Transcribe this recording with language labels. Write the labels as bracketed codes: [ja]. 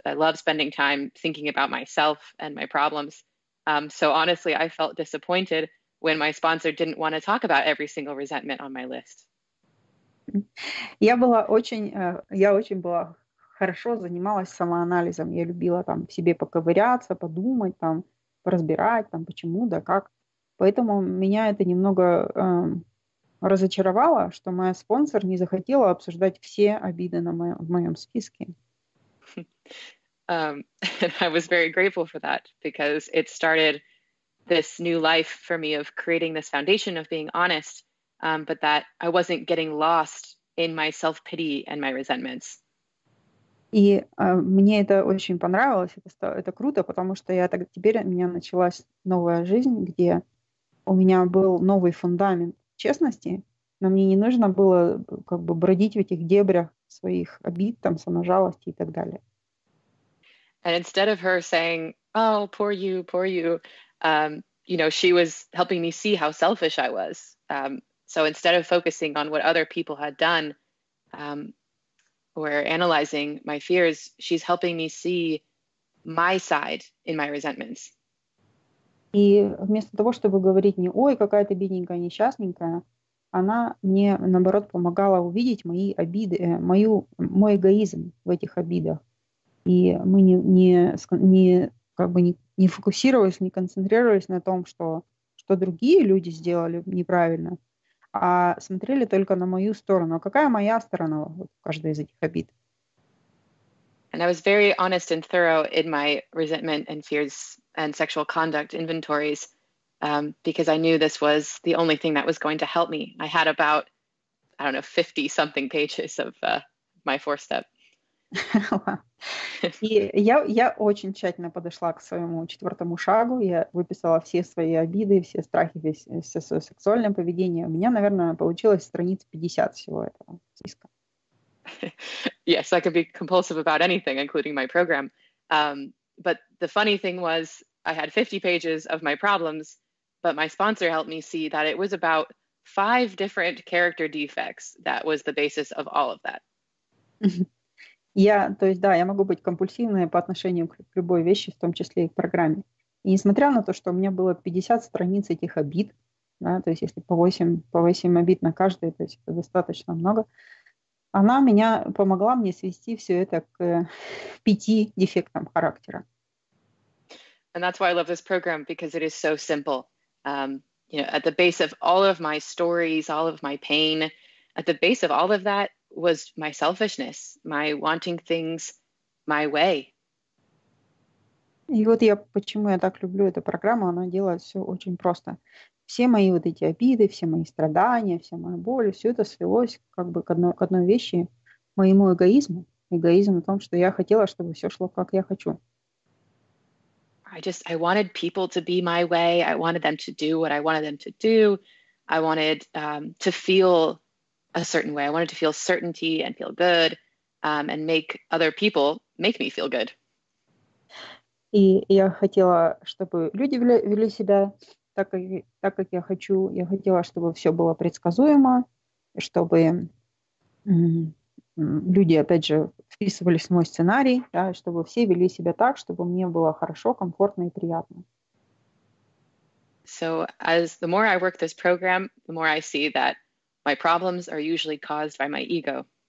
[en] I loved spending time thinking about myself and my problems. So honestly, I felt disappointed when my sponsor didn't want to talk about every single resentment on my list. [ru] Я очень была хорошо занималась самоанализом. Я любила там в себе поковыряться, подумать, там, поразбирать, там, почему, да как. Поэтому меня это немного разочаровало, что моя спонсор не захотела обсуждать все обиды в моем списке. [en] I was very grateful for that, because it started this new life for me of creating this foundation of being honest. But that I wasn't getting lost in my self-pity and my resentments. [ru] И мне это очень понравилось, это круто, потому что я так теперь у меня началась новая жизнь, где у меня был новый фундамент честности, но мне не нужно было как бы бродить в этих дебрях своих обид, там, саможалости и так далее. [en] And instead of her saying, "Oh, poor you," you know, she was helping me see how selfish I was. So instead of focusing on what other people had done or analyzing my fears, she's helping me see my side in my resentments. [ru] И вместо того, чтобы говорить мне, ой, какая ты бедненькая, несчастненькая, она мне, наоборот, помогала увидеть мои обиды, мой эгоизм в этих обидах. И мы не фокусировались, не концентрировались на том, что другие люди сделали неправильно, а смотрели только на мою сторону. А какая моя сторона в каждой из этих обид? [en] And I was very honest and thorough in my resentment and fears and sexual conduct inventories, because I knew this was the only thing that was going to help me. I had about, I don't know, 50-something pages of my four-step. [ru] И я очень тщательно подошла к своему четвертому шагу. Я выписала все свои обиды, все страхи, все свое сексуальное поведение. У меня, наверное, получилось страниц 50 всего этого списка. [en] Yes, I could be compulsive about anything, including my program. But the funny thing was, I had 50 pages of my problems, but my sponsor helped me see that it was about 5 different character defects that was the basis of all of that. [ru] Я могу быть компульсивной по отношению к любой вещи, в том числе и к программе. И несмотря на то, что у меня было 50 страниц этих обид, да, то есть если по 8 обид на каждую, то есть это достаточно много, она меня помогла мне свести все это к 5 дефектам характера. [en] And that's why I love this program, because it is so simple. You know, at the base of all of my stories, all of my pain, at the base of all of that was my selfishness, my wanting things my way. [ru] И вот я почему я так люблю эту программу, она делает все очень просто. Все мои вот эти обиды, все мои страдания, вся моя боль, все это свелось как бы к одной вещи, моему эгоизму. Эгоизм в том, что я хотела, чтобы все шло, как я хочу. [en] I wanted people to be my way. I wanted them to do what I wanted them to do. I wanted to feel a certain way. I wanted to feel certainty and feel good and make other people make me feel good. [ru] И я хотела, чтобы люди вели себя так, как я хочу. Я хотела, чтобы все было предсказуемо, чтобы люди, опять же, в вписывались в мой сценарий, да, чтобы все вели себя так, чтобы мне было хорошо, комфортно и приятно. [en] So as the more I work this program, the more I see that my problems are usually caused by my ego.